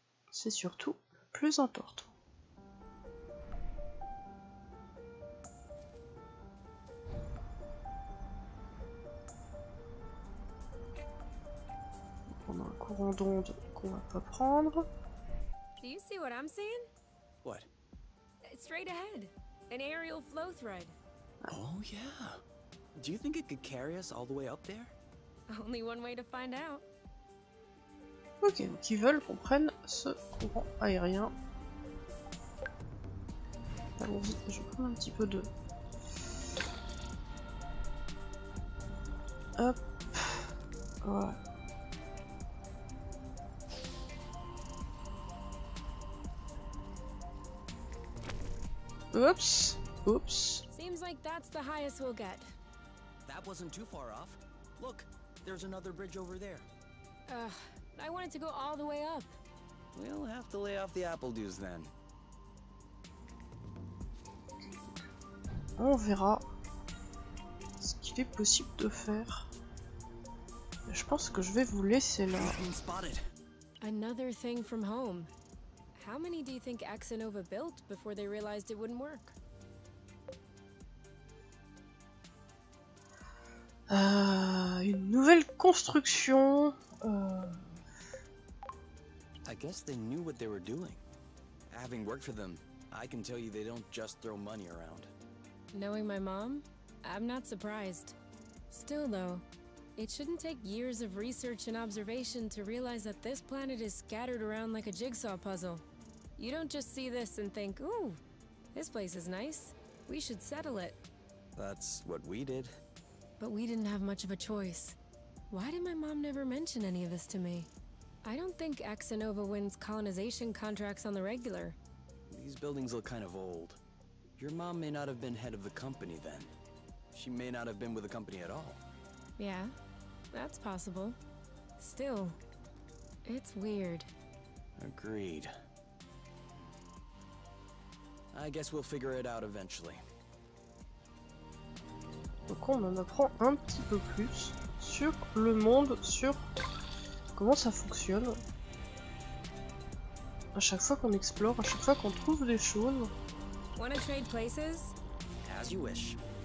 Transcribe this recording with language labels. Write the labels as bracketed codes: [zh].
[fr] C'est surtout plus important. On a un courant d'onde qu'on va pas prendre. [en] Do you see what I'm seeing? What? Straight ahead. An aerial flow thread. Oh yeah. Do you think it could carry us all the way up there? Only one way to find out. [fr] Ok, donc ils veulent qu'on prenne ce courant aérien. Allons-y, je vais prendre un petit peu de. Hop. Voilà. Oups. Oups. [en] Seems like that's the highest we'll get. That wasn't too far off. Look, there's another bridge over there. I wanted to go all the way up. We'll have to lay off the apple dews then. [fr] On verra ce qu'il est possible de faire. Je pense que je vais vous laisser là. [en] Another thing from home. How many do you think X and Nova built before they realized it wouldn't work? [fr] Une nouvelle construction. [en] I guess they knew what they were doing. Having worked for them, I can tell you they don't just throw money around. Knowing my mom, I'm not surprised. Still though, it shouldn't take years of research and observation to realize that this planet is scattered around like a jigsaw puzzle. You don't just see this and think, "Ooh, this place is nice. We should settle it." That's what we did. But we didn't have much of a choice. Why did my mom never mention any of this to me? I don't think X and Nova wins colonization contracts on the regular. These buildings look kind of old. Your mom may not have been head of the company then. She may not have been with the company at all. Yeah, that's possible. Still, it's weird. Agreed. I guess we'll figure it out eventually. [fr] Donc on en apprend un petit peu plus sur le monde, sur comment ça fonctionne. À chaque fois qu'on explore, à chaque fois qu'on trouve des choses. [en] Wanna trade places? As you wish.